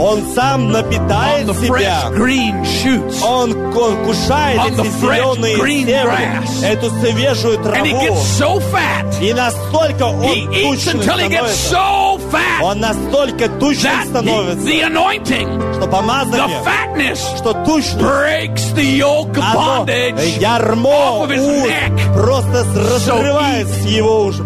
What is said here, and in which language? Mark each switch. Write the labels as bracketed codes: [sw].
[ru] Он сам напитает [en] on the [ru] себя. [en] Fresh green shoots. [ru] Он кушает [en] on [ru] эти зеленые семена. Эту свежую траву. [en] And he gets so fat. [ru] И настолько он тучным становится. [en] He eats until he gets so fat. [ru] Он настолько тучным становится. [en] The anointing. [ru] Что помазание. [en] The fatness. [ru] Что тучность. [en] Breaks the yoke of bondage off of his neck. [ru] Просто разрывает его уши.